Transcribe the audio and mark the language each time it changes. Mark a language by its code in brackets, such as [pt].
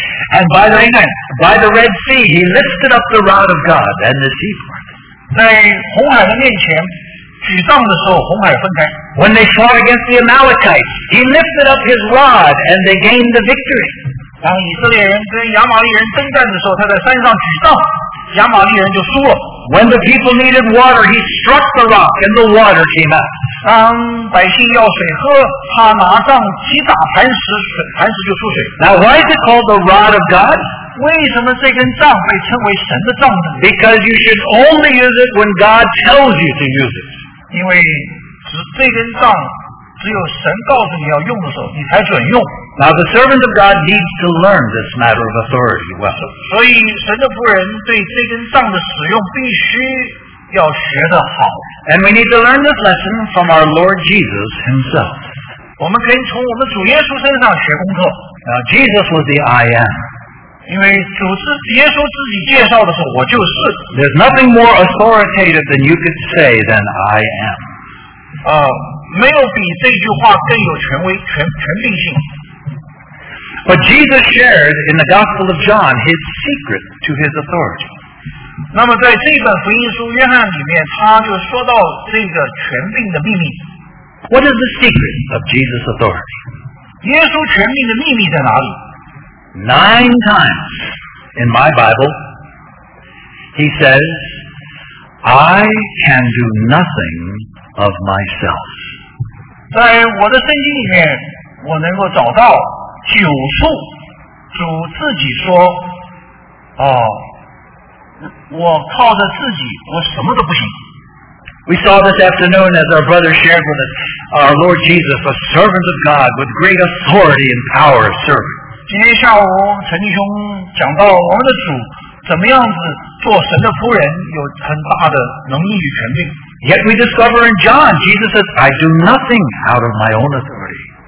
[en] And by the Red Sea, he lifted up the rod of God and the sea part. [zh] 在红海的面前, 举杖的时候, [en] when they fought against the Amalekites, he lifted up his rod and they gained the victory. [zh] 当以色列人跟亚玛力人征战的时候, 他在山上举杖, 亚玛力人就输了。 [en] When the people needed water, he struck the rock and the water came out. [zh] 当百姓要水喝，他拿杖击打磐石，磐石就出水。 [en] Now why is it called the rod of God? [zh] 为什么这根杖被称为神的杖呢？ [en] Because you should only use it when God tells you to use it. [zh] 因为这根杖只有神告诉你要用的时候，你才准用。 [en] Now the servant of God needs to learn this matter of authority well. [zh] 所以神的仆人对这根杖的使用必须要学得好。 [en] And we need to learn this lesson from our Lord Jesus himself. [zh] 我们可以从我们主耶稣身上学功课。 [en] Now Jesus was the I am. [zh] 因为主耶稣自己介绍的时候，我就是。 [en] There's nothing more authoritative than you could say than I am. [zh] 没有比这句话更有权威、权柄性。 [en] But Jesus shared in the Gospel of John his secret to his authority. [zh] 那么在这本福音书约翰里面，他就说到这个权柄的秘密。 [en] What is the secret of Jesus' authority? [zh] 耶稣权柄的秘密在哪里？ [en] 9 times in my Bible, he says, I can do nothing of myself. [zh] 在我的圣经里面，我能够找到九处主自己说，哦，我靠着自己，我什么都不行。 [en] We saw this afternoon as our brother shared with us, our Lord Jesus, a servant of God with great authority and power of servant. [zh] 今天下午陈弟兄讲到我们的主怎么样子做神的仆人，有很大的能力与权柄。 [en] Yet we discover in John, Jesus says, I do nothing out of my own authority.